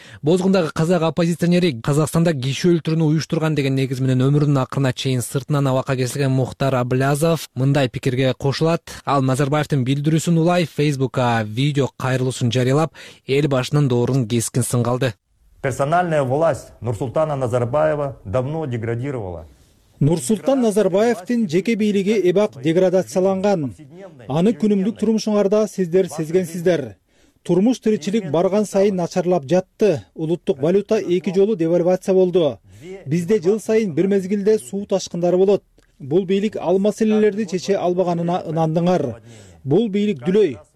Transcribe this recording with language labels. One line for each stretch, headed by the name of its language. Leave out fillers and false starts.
Kyrgyz: Бозгундагы казак оппозиционери Казакстанда киши өлтүрүүнү уюштурган деген негиз менен өмүрүнүн акырына чейин сыртынан абакка кесилген Мухтар Аблязов мындай пикирге кошулат. Ал Назарбаевдин билдирүүсүн улай Facebook'а видео кайрылуусун жарыялап, эл башынын доорун кескин сынга алды.
Russian: Персональная власть Нурсултана Назарбаева давно деградировала.
Kyrgyz: Нурсултан Назарбаевдин жеке бийлиги эбак деградацияланган. Аны күнүмдүк турмушуңарда сиздер сезгенсиздер. Турмуш тиричилик барган сайын начарлап жатты. Улуттук валюта 2 жолу девальвация болду. Бизде жыл сайын бир мезгилде суу ташкындары болот. Бул бийлик ал маселелерди чече албаганына ынандыңар. Бул бийлик дүлөй.